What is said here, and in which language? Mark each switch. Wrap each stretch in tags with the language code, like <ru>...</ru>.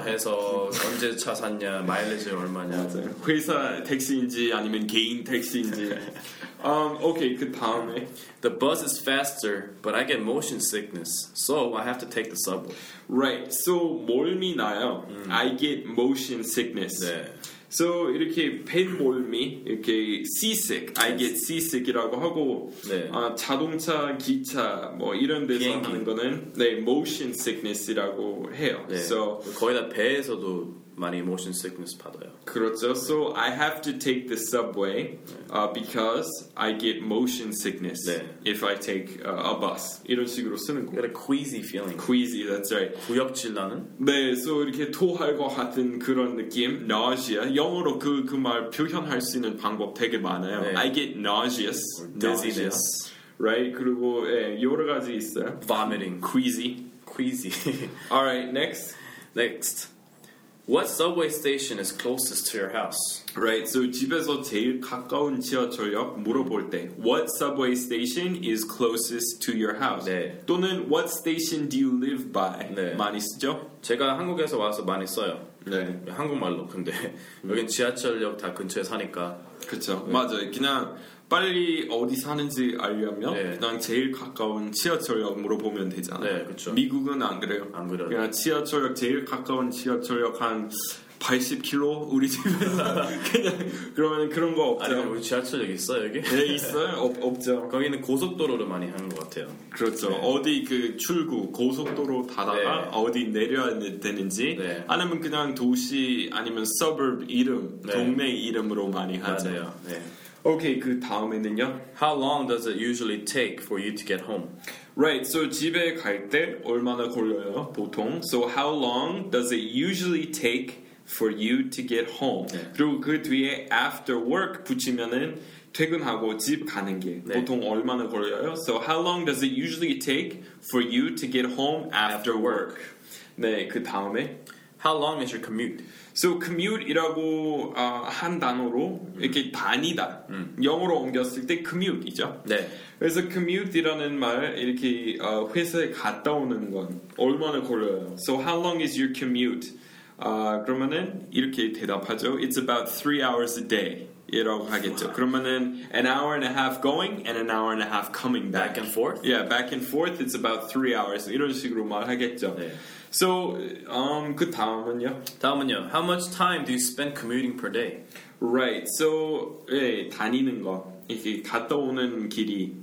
<ko>해서 언제 차 샀냐, 마일리지 얼마냐. 맞아요. 회사 택시인지 아니면 개인 택시인지. okay, 그 다음에</ko> <en>The bus is faster, but I get motion sickness, so I have to take the subway. Right. So</en> <ko>멀미 나요.</ko> <en>I get motion sickness.</en> <ko>네. So 이렇게 팬몰미 이렇게 seasick,</ko> <en>I get seasick</en> <ko>이라고 하고 네. 자동차, 기차 뭐 이런 데서 비행기. 하는 거는 네 motion sickness이라고 해요. 네. So 거의 다 배에서도 많이 motion sickness 받아요. 그렇죠.</ko> <en>So I have to take the subway because I get motion sickness</en> <ko>네.</ko> <en>if I take a bus.</en> <ko>이런 식으로 쓰는 거.</ko> <en>Got a queasy feeling. Queasy, that's right.</en> <ko>구역질 나는? 네, so 이렇게 토할 것 같은 그런 느낌, nausea. 영어로 그 말 표현할 수 있는 방법 되게 많아요. 네.</ko> <en>I get nauseous. Dizziness. Right?</en> <ko>그리고 예, 여러 가지 있어요.</ko> <en>Vomiting. Queasy. Queasy. All right, next. Next. What subway station is closest to your house? Right, so</en> <ko>집에서 제일 가까운 지하철역 물어볼 때</ko> <en>What subway station is closest to your house?</en> <ko>네.</ko> <en>또는 What station do you live by?</en> <ko>네. 많이 쓰죠? 제가 한국에서 와서 많이 써요. 네. 한국말로 근데 여긴 지하철역 다 근처에 사니까 그렇죠. 네. 맞아요. 그냥 빨리 어디 사는지 알려면 네. 그냥 제일 가까운 지하철역 물어보면 되잖아요. 네, 그렇죠. 미국은 안 그래요. 안 그래요. 그냥 지하철역 제일 가까운 지하철역 한 80km 우리 집에서 그냥 그러면 그런 거 없죠. 아니 우리 지하철역 있어 여기? 네 있어요. 없죠. 거기는 고속도로를 많이 하는 것 같아요. 그렇죠. 네. 어디 그 출구 고속도로 타다가 네. 어디 내려야 되는지 네. 아니면 그냥 도시 아니면 서브 이름 네. 동네 이름으로 많이 하죠. 맞아요. 네. Okay, 그 다음에는요?</ko> <en>How long does it usually take for you to get home? Right, so</en> <ko>집에 갈 때 얼마나 걸려요, 보통?</ko> <en>So how long does it usually take for you to get home?</en> <ko>네. 그리고 그 뒤에</ko> <en>after work</en> <ko>붙이면은 퇴근하고 집 가는 게 네. 보통 얼마나 걸려요?</ko> <en>So how long does it usually take for you to get home after work?</en> <ko>네, 그 다음에?</ko> <en>How long is your commute?</en> <ko>So commute이라고 한 단어로 이렇게 다니다 영어로 옮겼을 때 commute이죠. 네. 그래서 commute이라는 말 이렇게 회사에 갔다 오는 건 얼마나 걸려요?</ko> <en>So how long is your commute?</en> <ko>그러면은 이렇게 대답하죠.</ko> <en>It's about 3 hours a day.</en> <ko>이라고 하겠죠. 와.</ko> <en>그러면은 an hour and a half going and an hour and a half coming back. Back and forth? Yeah, back and forth. It's about 3 hours.</en> <ko>이런 식으로 말하겠죠. 네. So, 그 다음은요? 다음은요.</ko> <en>How much time do you spend commuting per day? Right. So,</en> <ko>예, 다니는 거. 이렇게 갔다 오는 길이</ko>